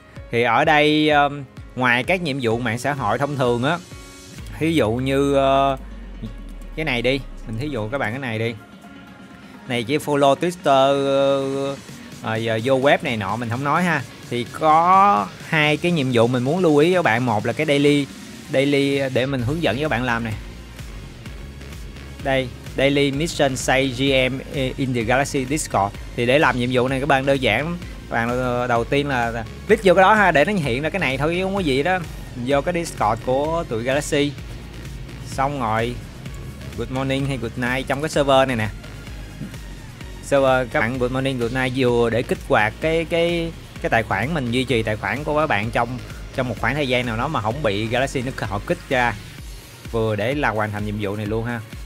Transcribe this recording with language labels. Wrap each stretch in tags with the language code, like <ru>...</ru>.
<vi>Thì ở đây ngoài các nhiệm vụ mạng xã hội thông thường á, thí dụ như cái này đi, mình thí dụ các bạn cái này đi, này chỉ follow Twitter giờ vô web này nọ mình không nói ha. Thì có hai cái nhiệm vụ mình muốn lưu ý với bạn. Một là cái daily để mình hướng dẫn với bạn làm này.</vi> <en>Đây, daily mission say GM in the Galaxy Discord.</en> <vi>Thì để làm nhiệm vụ này các bạn đơn giản lắm. Bạn đầu tiên là click vô cái đó ha, để nó hiện ra cái này thôi chứ không có gì đó. Mình vô cái Discord của tụi Galaxy. Xong rồi</vi> <en>good morning</en> <vi>hay</vi> <en>good night</en> <vi>trong cái server này nè. Server các bạn</vi> <en>good morning good night</en> <vi>vừa để kích hoạt cái tài khoản, mình duy trì tài khoản của các bạn trong một khoảng thời gian nào đó mà không bị Galaxy nó họ kích ra, vừa để là hoàn thành nhiệm vụ này luôn ha.</vi>